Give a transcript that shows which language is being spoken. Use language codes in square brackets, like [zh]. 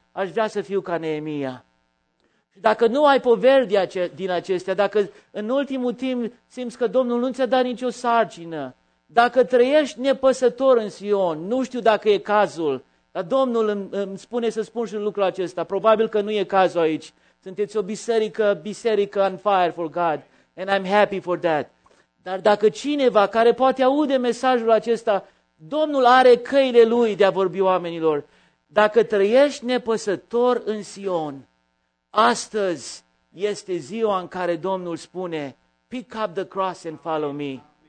[ro] aș vrea să fiu ca Neemia. Și dacă nu ai poveri din acestea, dacă în ultimul timp simți că Domnul nu ți-a dat nicio sarcină, dacă trăiești nepăsător în Sion, nu știu dacă e cazul, dar Domnul îmi spune să spun și lucrul acesta, probabil că nu e cazul aici. Sunteți o biserică [en] on fire for God, and I'm happy for that. [ro] Dar dacă cineva care poate aude mesajul acesta, Domnul are căile lui de a vorbi oamenilor, dacă trăiești nepăsător în Sion, astăzi este ziua în care Domnul spune, [en] pick up the cross and follow me.